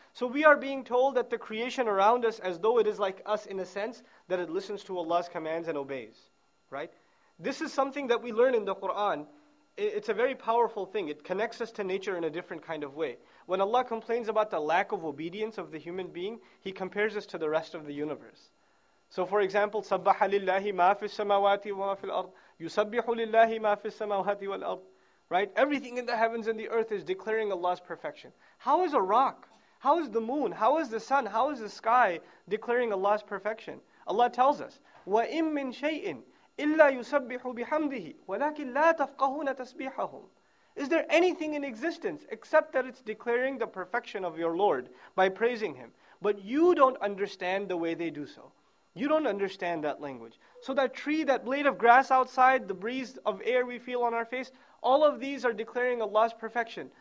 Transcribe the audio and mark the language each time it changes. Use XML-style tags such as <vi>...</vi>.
<en>So we are being told that the creation around us, as though it is like us in a sense, that it listens to Allah's commands and obeys. Right? This is something that we learn in the Quran. It's a very powerful thing. It connects us to nature in a different kind of way. When Allah complains about the lack of obedience of the human being, He compares us to the rest of the universe.</en> <ar>So for example, سَبَّحَ لِلَّهِ مَا فِي السَّمَاوَاتِ وَمَا فِي الْأَرْضِ يُسَبِّحُ لِلَّهِ مَا فِي السَّمَاوَاتِ وَالْأَرْضِ.</ar> <en>Right? Everything in the heavens and the earth is declaring Allah's perfection. How is a rock? How is the moon? How is the sun? How is the sky declaring Allah's perfection?</en> <ar>Allah tells us, وَإِن مِّن شَيْءٍ إِلَّا يُسَبِّحُ بِحَمْدِهِ وَلَكِنْ لَا تَفْقَهُونَ تَسْبِيحَهُمْ.</ar> <en>Is there anything in existence except that it's declaring the perfection of your Lord by praising Him? But you don't understand the way they do so. You don't understand that language. So that tree, that blade of grass outside, the breeze of air we feel on our face, all of these are declaring Allah's perfection.</en>